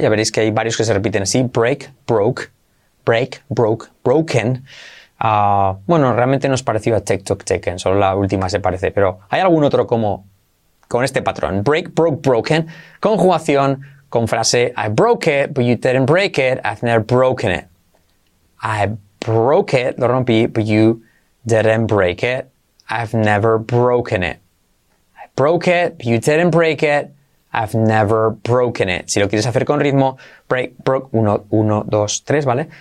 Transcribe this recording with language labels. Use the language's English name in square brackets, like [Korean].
[Spanish] Ya veréis que hay varios que se repiten así, break, broke, broken. Bueno, realmente no es parecido a take, took, taken, solo la última se parece, pero hay algún otro como... con este patrón. Break, broke, broken. Conjugación con frase [English] I broke it, but you didn't break it. I've never broken it. I broke it, [Spanish] lo rompí, [English] but you didn't break it. I've never broken it. I broke it, but you didn't break it. I've never broken it. [Spanish] Si lo quieres hacer con ritmo, break, broke, 1, 1, 2, 3, ¿vale?